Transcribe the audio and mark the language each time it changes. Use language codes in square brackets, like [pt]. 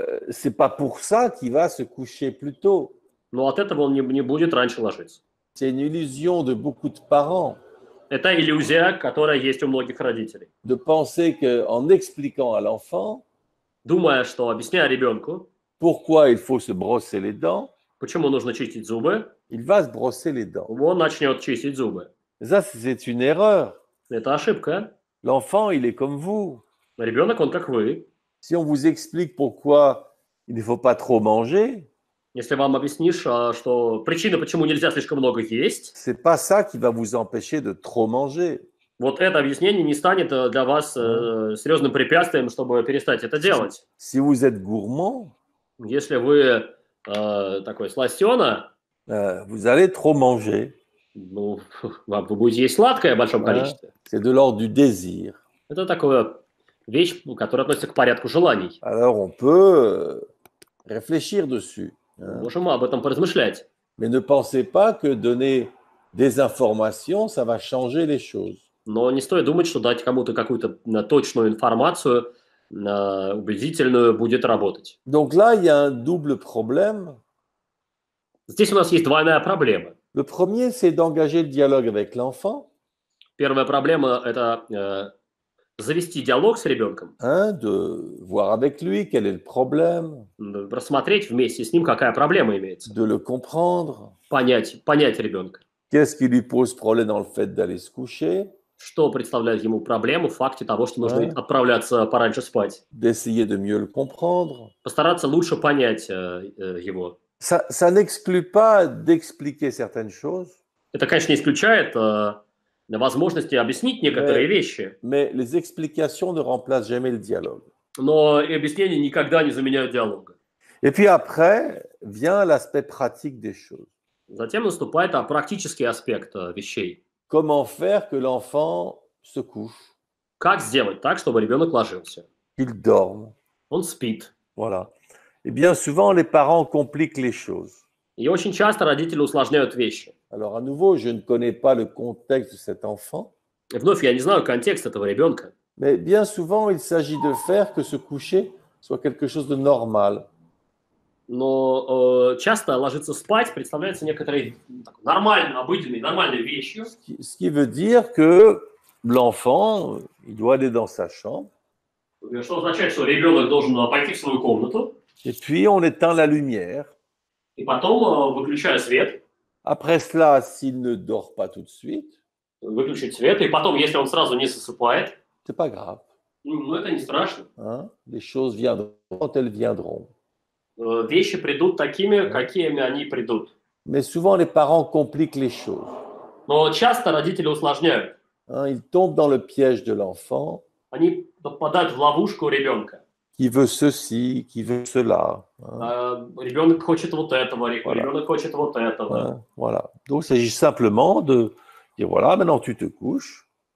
[fr] C'est pas pour ça qu'il va se coucher plus tôt. [ru] Но от этого он не будет раньше ложиться. [fr] C'est une illusion de beaucoup de parents. [ru] Это иллюзия, которая есть у многих родителей. [fr] De penser que en expliquant à l'enfant, [ru] думая, что объясняя ребенку, [fr] pourquoi il faut se brosser les dents, [ru] почему нужно чистить зубы, [fr] il va se brosser les dents. [ru] Он начнет чистить зубы. [fr] Ça, c'est une erreur. [ru] Это ошибка. [fr] L'enfant, il est comme vous. [ru] Ребенок, он как вы. [fr] Si on vous explique pourquoi il ne faut pas trop manger. [ru] Если вам объяснишь, что причина, почему нельзя слишком много есть, [fr] c'est pas ça qui va vous empêcher de trop manger. [ru] Вот это объяснение не станет для вас серьезным препятствием, чтобы перестать это делать. [fr] Si vous êtes gourmand, [ru] если вы такой сластена, [fr] vous allez trop manger. [ru] Ну, вы будете есть сладкое в большом количестве. [fr] C'est de l'ordre du désir. [ru] Это такая вещь, которая относится к порядку желаний. [fr] Alors on peut réfléchir dessus. [ru] Можем об этом поразмышлять. [fr] Mais ne pensez pas que donner des informations, ça va changer les choses. [ru] Но не стоит думать, что дать кому-то какую-то точную информацию, убедительную, будет работать. [fr] Donc là, il y a un double problème. [ru] Здесь у нас есть двойная проблема. [fr] Le premier, c'est d'engager le dialogue avec l'enfant. [ru] Первая проблема – это завести диалог с ребенком. [fr] Hein, de voir avec lui quel est le problème. [ru] Рассмотреть вместе с ним, какая проблема имеется. [fr] De le comprendre. [ru] Понять ребенка. [fr] Qu'est-ce qui lui pose problème dans le fait d'aller se coucher? [ru] Что представляет ему проблему в факте того, что нужно отправляться пораньше спать? [fr] D'essayer de mieux le comprendre. [ru] Постараться лучше понять его. [fr] Ça n'exclut pas d'expliquer certaines choses. [ru] Это, конечно, не исключает возможности объяснить некоторые вещи. [fr] Mais les explications ne remplacent jamais le dialogue. [ru] Но объяснения никогда не заменяют диалога. [fr] Et puis après vient l'aspect pratique des choses. [ru] Затем наступает практический аспект вещей. [fr] Comment faire que l'enfant se couche? [ru] Как сделать так, чтобы ребенок ложился? [fr] Il dorme. [ru] Он спит. [fr] Voilà. Et bien souvent, les parents compliquent les choses. [ru] И очень часто родители усложняют вещи. [fr] Alors, à nouveau, je ne connais pas le contexte de cet enfant. Et [ru] вновь, я не знаю контекст этого ребенка. [fr] Mais bien souvent, il s'agit de faire que se coucher soit quelque chose de normal. [ru] Но часто ложиться спать представляется некоторой нормальной, обыденной, нормальной вещью. [fr] Ce qui veut dire que l'enfant, il doit aller dans sa chambre. Et puis, on éteint la lumière. Et [ru] потом, выключая свет. [fr] Après cela, s'il ne dort pas tout de suite, [ru] выключить свет. [fr] Et [ru] потом, если он сразу не засыпает, [fr] c'est pas grave. [ru] Ну, это не страшно. [fr] Hein? Les choses viendront quand elles viendront. [ru] Вещи придут такими, какими они придут. [fr] Mais souvent, les parents compliquent les choses. [ru] Но часто родители усложняют. [fr] Hein? Ils tombent dans le piège de l'enfant. [ru] Они попадают в ловушку ребенка. [fr] Qui veut ceci, qui veut cela. [ru] Ребенок хочет вот этого, ребенок хочет вот этого. [fr] Voilà. Donc, il s'agit simplement de dire, voilà, maintenant tu te couches.